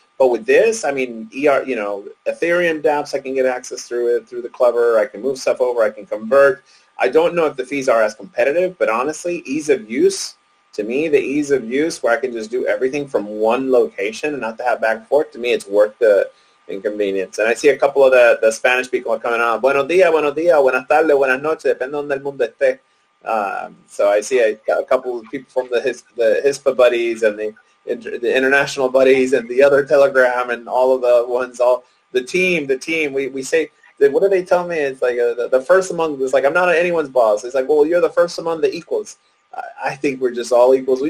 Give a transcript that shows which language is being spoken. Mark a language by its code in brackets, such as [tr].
[en] But with this, I mean, you know, Ethereum dApps, I can get access through it, through the Clever. I can move stuff over. I can convert. I don't know if the fees are as competitive, but honestly, ease of use, to me, the ease of use where I can just do everything from one location and not to have back and forth, to me, it's worth the inconvenience. And I see a couple of the Spanish people are coming on. [es] Buenos dias, buenas tardes, buenas noches, depende donde el mundo esté. [en] So I see a couple of people from the HISPA buddies and the international buddies and the other Telegram and all of the ones, all the team. We say, what do they tell me? It's like the first among, it's like I'm not anyone's boss. It's like, well, you're the first among the equals. I think we're just all equals.